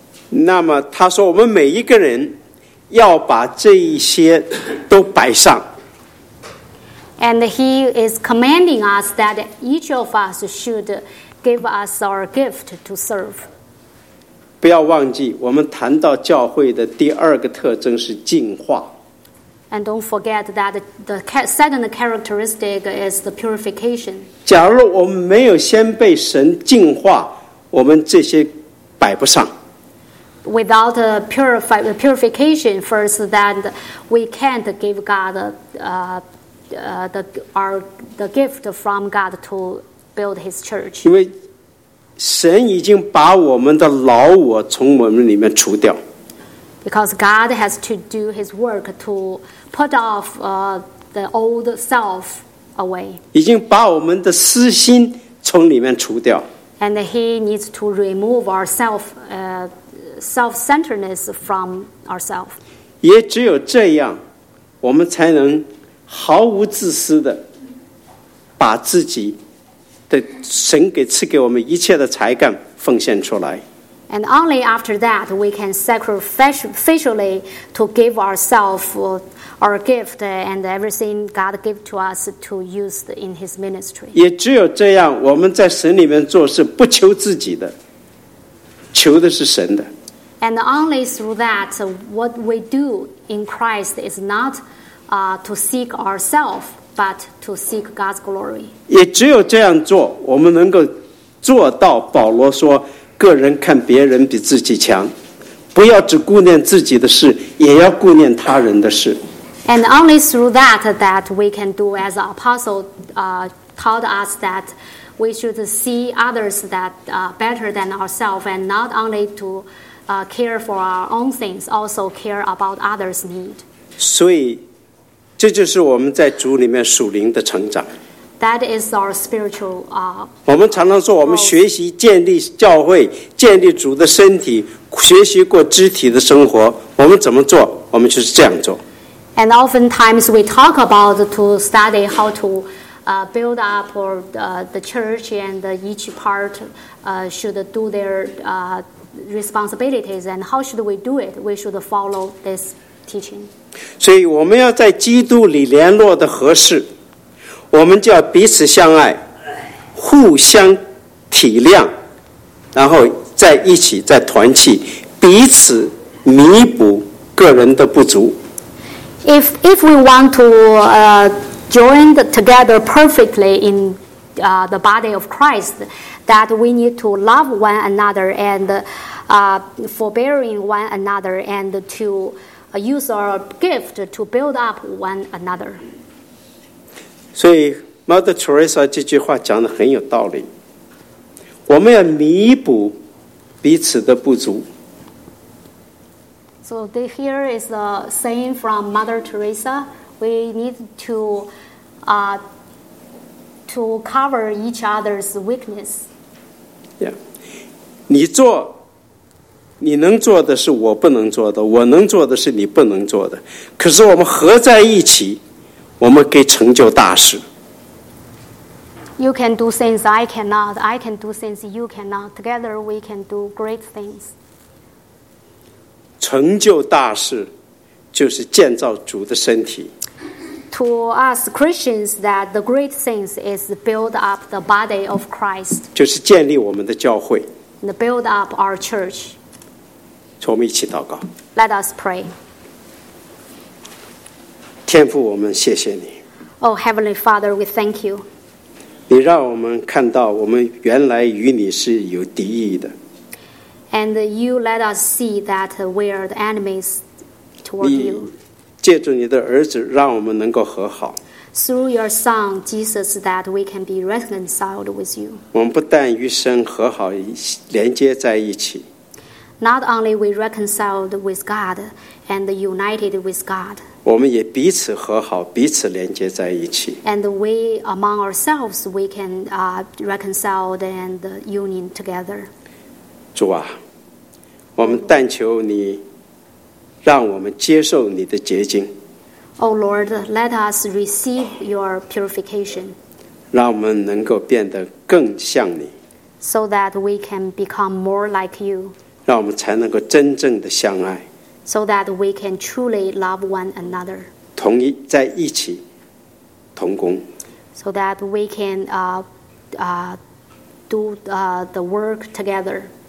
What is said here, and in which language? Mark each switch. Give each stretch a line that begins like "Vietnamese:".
Chinese: 那么他说我们每一个人要把这一些都摆上。
English: And he is commanding us that each of us should give us our gift to serve.
Chinese: 不要忘记，我们谈到教会的第二个特征是净化。
English: And don't forget that the second characteristic is the purification.
Chinese: 假如我们没有先被神净化，我们这些摆不上。
English: Without a purification, first, then we can't give God the gift from God to build His church.
Chinese: 因为神已经把我们的老我从我们里面除掉。
English: Because God has to do His work to put off the old self away.
Chinese: 已经把我们的私心从里面除掉。
English: And He needs to remove our self-centeredness from ourselves.
Chinese: 也只有这样，我们才能毫无自私的把自己的神给赐给我们一切的才干奉献出来。
English: And only after that, we can sacrificially to give ourselves our gift and everything God gave to us to use in His ministry.
Chinese: 也只有这样，我们在神里面做事，不求自己的，求的是神的。
English: And only through that, what we do in Christ is not to seek ourselves, but to seek God's glory.
Chinese: 也只有这样做，我们能够做到保罗说个人看别人比自己强，不要只顾念自己的事，也要顾念他人的事。
English: And only through that we can do as the apostle taught us that we should see others that better than ourselves and not only to care for our own things, also care about others' need.
Chinese: 所以，这就是我们在主里面属灵的成长。
English: That is our spiritual.
Chinese: 我们常常说，我们学习建立教会，建立主的身体，学习过肢体的生活。我们怎么做？我们就是这样做。
English: And oftentimes we talk about to study how to build up or the church, and each part should do their responsibilities. And how should we do it? We should follow this teaching.
Chinese: 所以我们要在基督里联络的合适。我们就要彼此相爱，互相体谅，然后在一起，在团契，彼此弥补个人的不足。
English: If we want to join together perfectly in the body of Christ, that we need to love one another and forbearing one another and to use our gift to build up one another.
Chinese: 所以 Mother Teresa 这句话讲得很有道理，我们要弥补彼此的不足。
English: So here is a saying from Mother Teresa. We need to cover each other's weakness. Yeah.
Chinese: 你做你能做的是我不能做的，我能做的是你不能做的，可是我们合在一起，我们可以成就大事。
English: You can do things I cannot. I can do things you cannot. Together we can do great things.
Chinese: 成就大事就是建造主的身体。
English: To us Christians, that the great things is build up the body of Christ.
Chinese: 就是建立我们的教会。
English: And build up our church.
Chinese: 我们一起祷告。
English: Let us pray.
Chinese: 天父，我们谢谢你。
English: Oh, Heavenly Father, we thank you.
Chinese: 你让我们看到我们原来与你是有敌意的。
English: And you let us see that we are the enemies toward you.
Chinese: 借助你的儿子，让我们能够和好。
English: Through your Son, Jesus, that we can be reconciled with you.
Chinese: 我们不但与神和好，连接在一起。
English: Not only we reconciled with God and united with God.
Chinese: 我们也彼此和好，彼此连接在一起。
English: And we among ourselves, we can reconcile and union together.
Chinese: 主啊，我们但求你让我们接受你的洁净。
English: Oh Lord, let us receive your purification.
Chinese: 让我们能够变得更像你。
English: So that we can become more like you.
Chinese: 让我们才能够真正的相爱。
English: So that we can truly love one another.
Chinese: 同一在一起，同工。
English: So that we can do the work together.